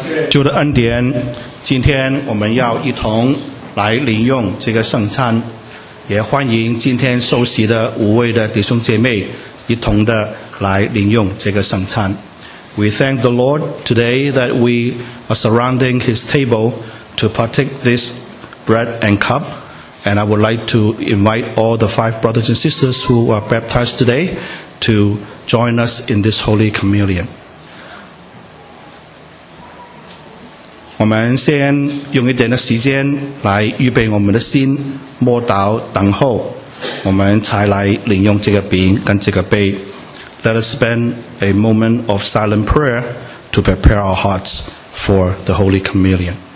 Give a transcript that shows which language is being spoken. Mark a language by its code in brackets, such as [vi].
[zh] 主的恩典，今天我们要一同来领用这个圣餐，也欢迎今天受洗的五位的弟兄姐妹一同的来领用这个圣餐。 [en] We thank the Lord today that we are surrounding His table to partake this bread and cup. And I would like to invite all the five brothers and sisters who are baptized today to join us in this Holy Communion. [zh] 我们先用一点的时间来预备我们的心，默祷等候，我们才来领用这个饼跟这个杯。 [en] Let us spend a moment of silent prayer to prepare our hearts for the Holy Communion.